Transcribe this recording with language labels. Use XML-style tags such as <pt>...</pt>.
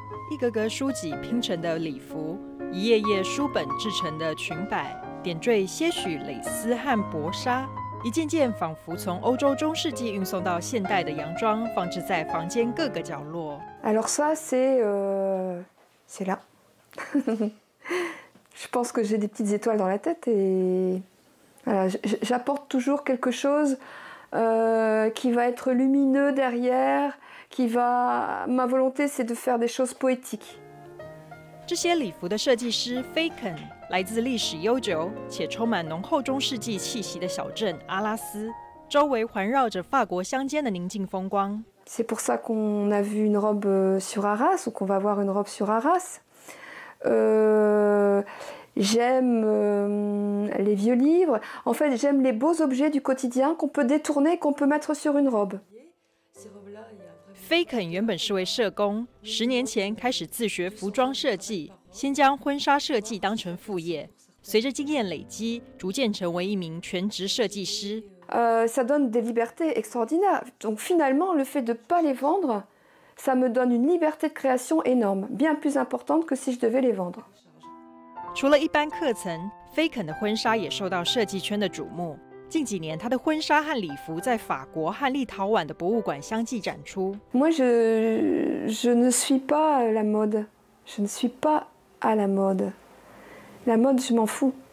<zh>一格格书籍拼成的礼服，一页页书本制成的裙摆，点缀些许蕾丝和薄纱，一件件仿佛从欧洲中世纪运送到现代的洋装，放置在房间各个角落。</zh> <fr>Alors ça, c'est là. Je pense que j'ai des petites étoiles dans la tête et voilà, j'apporte toujours quelque chose qui va être lumineux derrière, qui va. Ma volonté, c'est de faire des choses poétiques.</fr> <zh>这些礼服的设计师 Faken 来自历史悠久且充满浓厚中世纪气息的小镇阿拉斯，周围环绕着法国乡间的宁静风光。</zh> <fr>C'est pour ça qu'on a vu une robe sur Arras ou qu'on va voir une robe sur Arras. J'aime les vieux livres. En fait, j'aime les beaux objets du quotidien qu'on peut détourner, qu'on peut mettre sur une robe.</fr> <zh>菲肯原本是位社工，十年前开始自学服装设计，先将婚纱设计当成副业，随着经验累积，逐渐成为一名全职设计师。</zh> <fr>Ça donne des libertés extraordinaires. Donc finalement, le fait de pas les vendre, ça me donne une liberté de création énorme, bien plus importante que si je devais les vendre.</fr> <zh>除了一般课程，菲肯的婚纱也受到设计圈的瞩目。近几年，他的婚纱和礼服在法国和立陶宛的博物馆相继展出。</zh> <fr>Moi, je ne suis pas la mode. Je ne suis pas à la mode. La mode, je m'en fous.</fr>